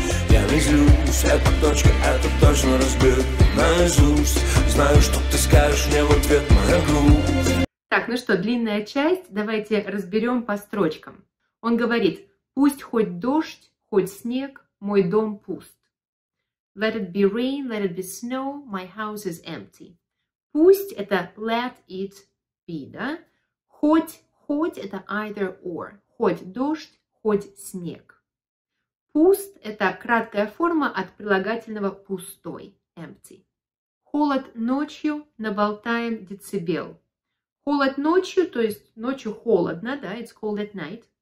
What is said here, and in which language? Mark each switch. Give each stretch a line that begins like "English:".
Russian: Я не злюсь, эта точка, это точно разбит наизусть. Знаю, что ты скажешь мне в ответ, моя грусть. Так, ну что, длинная часть, давайте разберем по строчкам. Он говорит, пусть хоть дождь, хоть снег, мой дом пуст.
English: Let it be rain, let it be snow, my house is empty.
Russian: Пусть это
English: let it be,
Russian: да? Хоть это
English: either or.
Russian: Хоть дождь, хоть снег. Пуст – это краткая форма от прилагательного пустой,
English: empty.
Russian: Холод ночью, наболтаем децибел. Холод ночью, то есть ночью холодно, да,
English: it's cold at night.